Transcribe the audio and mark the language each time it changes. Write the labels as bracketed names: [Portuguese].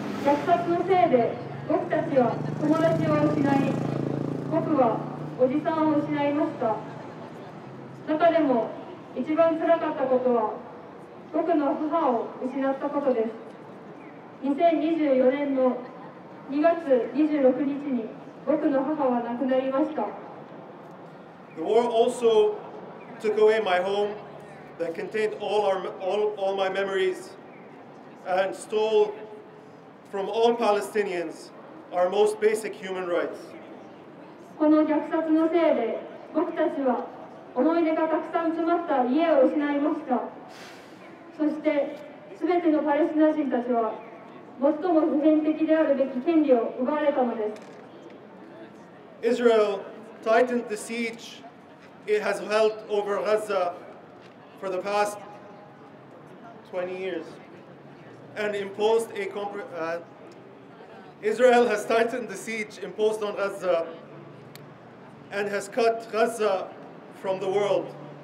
[Japanese] 虐殺のせいで僕たちは友達を失い、僕はおじさんを失いました。中でも一番つらかったことは僕の母を失ったことです。 2024年の2月26日に僕の母は亡くなりました。 [English] The war also took away my home that contained all my memories and stole from all Palestinians our most basic human rights. [Japanese] この虐殺のせいで僕たちは思い出がたくさん詰まった家を失いました。そして全てのパレスチナ人たちは最も普遍的であるべき権利を奪われたのです。 [English] Israel tightened the siege it has held over Gaza for the past 20 years and imposed a Israel has tightened the siege imposed on Gaza and has cut Gaza from the world.